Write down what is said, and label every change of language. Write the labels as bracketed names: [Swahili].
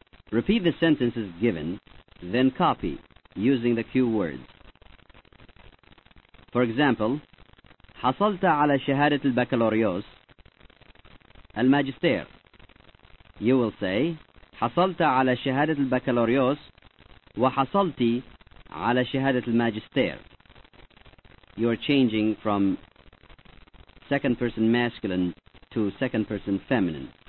[English] Repeat the sentences given, then copy using the cue words. For example, [Arabic] حصلت على شهادة البكالوريوس الماجستير. [English] You will say, [Arabic] حصلت على شهادة البكالوريوس وحصلت على شهادة الماجستير. [English] You are changing from second person masculine to second person feminine.